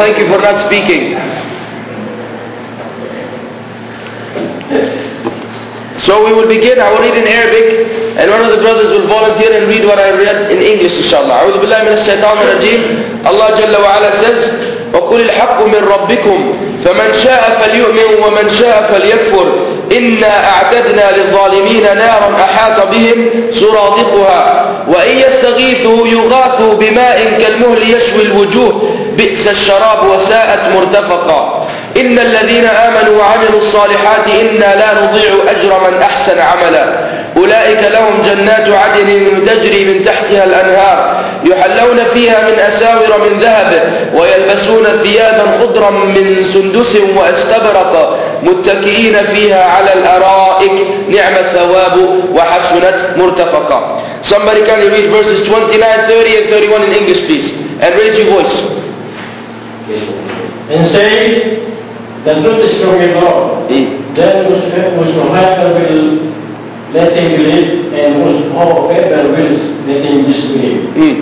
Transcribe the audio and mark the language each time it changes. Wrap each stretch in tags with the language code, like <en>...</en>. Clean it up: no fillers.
<en>Thank you for not speaking. So we will begin. I will read in Arabic, and one of the brothers will volunteer and read what I read in English, inshallah.</en> <ar>أعوذ بالله من الشيطان الرجيم. Allah جل وعلا says, وقل الحق من ربكم فمن شاء فليؤمن ومن شاء فليكفر إنا أعتدنا للظالمين نارا أحاط بهم سرادقها وإن يستغيثوا يغاثوا بماء كالمهل يشوي الوجوه بئس الشراب وساءت مرتفقا إن الذين آمنوا وعملوا الصالحات إنا لا نضيع أجر من أحسن عملا أولئك لهم جنات عدن تجري من تحتها الأنهار يحلون فيها من أساور من ذهب ويلبسون ثيابا خضرا من سندس وأستبرق متكئين فيها على الأرائك نعم الثواب وحسنت مرتفقا.</ar> <en>Somebody can read verses 29, 30 and 31 in English please, and raise your voice. And say, the good is from your Lord. Then whose matter will let him believe, and whose power paper will let him disbelieve.</en>